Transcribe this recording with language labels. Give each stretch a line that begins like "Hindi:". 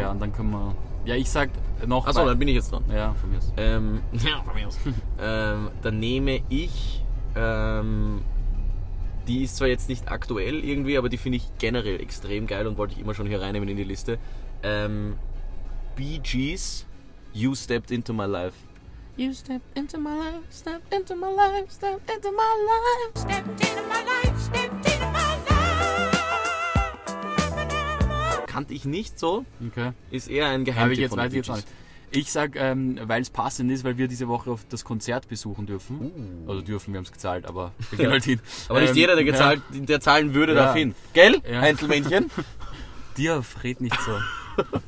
German: Ja, und dann können wir... Ja, ich sag noch... Achso, dann bin ich jetzt dran. Ja, von mir aus. Dann nehme ich... die ist zwar jetzt nicht aktuell irgendwie, aber die finde ich generell extrem geil und wollte ich immer schon hier reinnehmen in die Liste. Bee Gees, You Stepped Into My Life.
English: You stepped into my life, stepped into my life, stepped into my life. Stepped into my life, stepped into my life.
German: Kannte ich nicht so. Okay. Ist eher ein Geheimtipp. Habe ich jetzt weitergezahlt. Ich sag, weil es passend ist, weil wir diese Woche auf das Konzert besuchen dürfen. Also dürfen, wir haben es gezahlt, aber wir gehen halt hin. Aber nicht jeder, der zahlen würde, darf hin. Gell, ja. Heinzelmännchen? Dir, red nicht so.